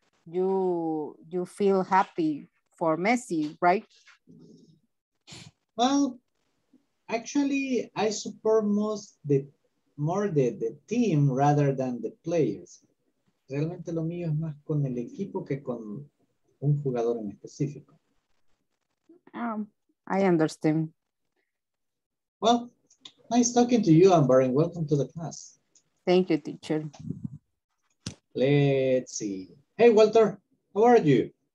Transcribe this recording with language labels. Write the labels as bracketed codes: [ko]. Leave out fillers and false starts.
[en] I think you feel happy for Messi, right? Well, actually, I support more the team rather than the players. [es] Realmente lo mío es más con el equipo que con un jugador en específico. [en] I understand. Well, nice talking to you, Amber, and welcome to the class. Thank you, teacher. Let's see. Hey, Walter, how are you?